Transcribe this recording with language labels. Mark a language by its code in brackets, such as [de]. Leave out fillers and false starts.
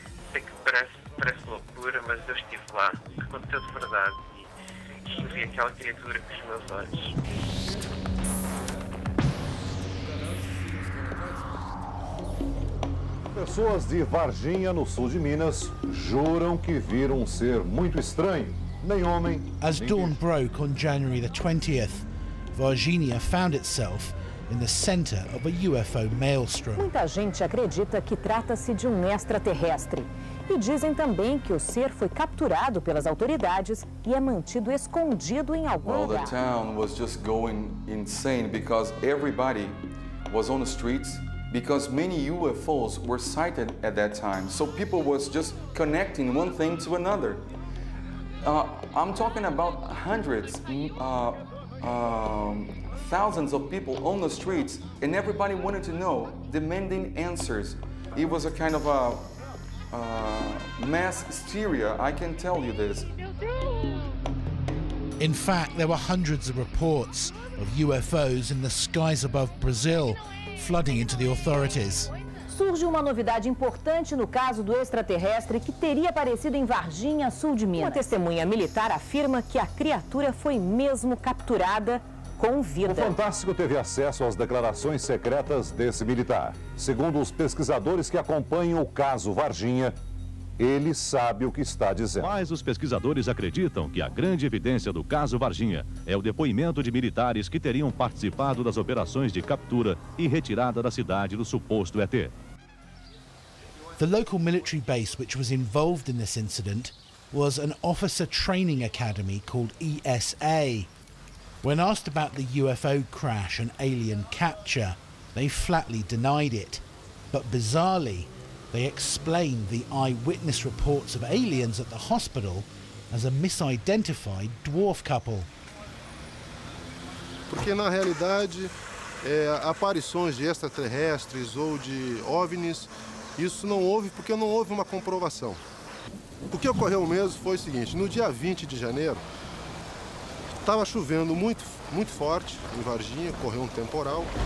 [pt] Sei que parece loucura, mas eu estive lá, aconteceu de verdade, e vi aquela criatura com os meus olhos. Pessoas de Varginha, no sul de Minas, juram que viram um ser muito estranho. Nem homem. [en] As dawn broke on January the 20th, Varginha found itself in the center of a UFO maelstrom. [pt] Muita gente acredita que trata-se de um extraterrestre. E dizem também que o ser foi capturado pelas autoridades e é mantido escondido em algum lugar. [en] The town was just going insane because everybody was on the streets. Because many UFOs were sighted at that time, so people was just connecting one thing to another. I'm talking about hundreds, thousands of people on the streets, and everybody wanted to know, demanding answers. It was a kind of a mass hysteria, I can tell you this. In fact, there were hundreds of reports of UFOs in the skies above Brazil, flooding into the authorities. [pt] Surge uma novidade importante no caso do extraterrestre que teria aparecido em Varginha, sul de Minas. Uma testemunha militar afirma que a criatura foi mesmo capturada com vida. O Fantástico teve acesso às declarações secretas desse militar. Segundo os pesquisadores que acompanham o caso Varginha, ele sabe o que está dizendo. Mas os pesquisadores acreditam que a grande evidência do caso Varginha é o depoimento de militares que teriam participado das operações de captura e retirada da cidade do suposto ET. [en] The local military base which was involved in this incident was an officer training academy called ESA. When asked about the UFO crash and alien capture, they flatly denied it. But bizarrely, they explained the eyewitness reports of aliens at the hospital as a misidentified dwarf couple. [pt] Porque na realidade, aparições de extraterrestres ou de OVNIs, isso não houve porque não houve uma comprovação. O que ocorreu mesmo foi o seguinte: no dia 20 de janeiro, estava chovendo muito, muito forte em Varginha, ocorreu um temporal.